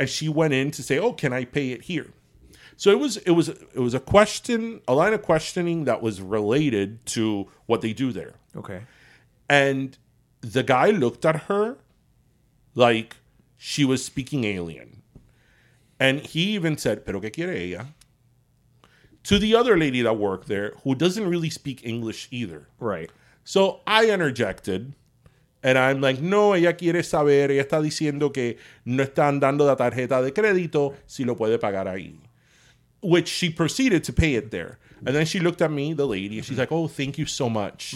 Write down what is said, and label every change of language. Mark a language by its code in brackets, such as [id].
[en] And she went in to say, oh, can I pay it here? So it was a question, a line of questioning that was related to what they do there. Okay. And the guy looked at her like she was speaking alien. And he even said, [es] pero que quiere ella? [en] To the other lady that worked there, who doesn't really speak English either. Right. So I interjected, and I'm like, [es] no, ella quiere saber, ella está diciendo que no están dando la tarjeta de crédito, si lo puede pagar ahí. [en] Which she proceeded to pay it there. And then she looked at me, the lady, and she's like, oh, thank you so much.